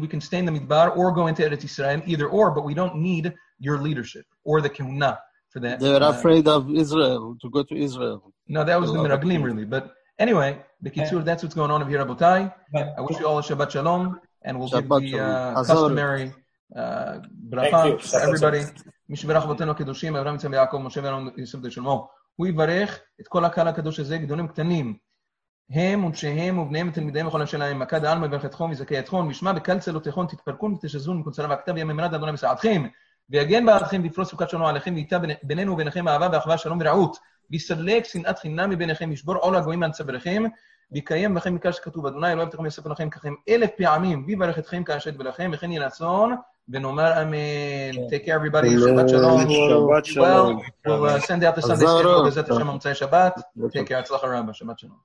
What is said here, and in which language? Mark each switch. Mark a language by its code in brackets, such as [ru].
[en] We can stay in the midbar or go into Eretz Yisrael, either or. But we don't need your leadership or the kehuna for that. They were afraid of Israel to go to Israel. No, that was the miraglim, really. But anyway, the kitzur. That's what's going on over here, Rabotai. I wish you all a Shabbat Shalom, and we'll give the customary. [he] ברכה לאבריבדי מי שברך אבותינו הקדושים אברהם יצחק ויעקב משה ואהרון יוסף בן שלמה הוא יברך את כל הקהל הקדוש הזה גדולים קטנים הם ונשיהם ובניהם ותלמידיהם וכל השלהם מכה דעלמה יברך אתכם ויזכה אתכם וישמע בקל צלו תכון תתפרקון ותשזון מקונצלם והכתב ימי מרד אדוני מסעדכם ויגן בעדכם ויפרוס סוכת שלום עליכם ואיתה בינינו וביניכם אהבה ואחווה שלום ורעות ויסלק שנאת חינם מביניכם ישבור עול הגויים על צוואריכם ויקיים בכם מקרא שכתוב אדוני אלוהי אבותיכם יוסף בנכם ככם 1,000 פעמים ויברך אתכם כאשר יתברכם וכן יהי רצון ונאמר אמן. [en] Take care everybody. Shabbat shalom. Shabbat shalom. Well, we'll send out the Sunday schedule. [he] בעזרת השם המוצאי שבת. [en] Take care. [he] הצלחה רבה. [en] Shabbat shalom.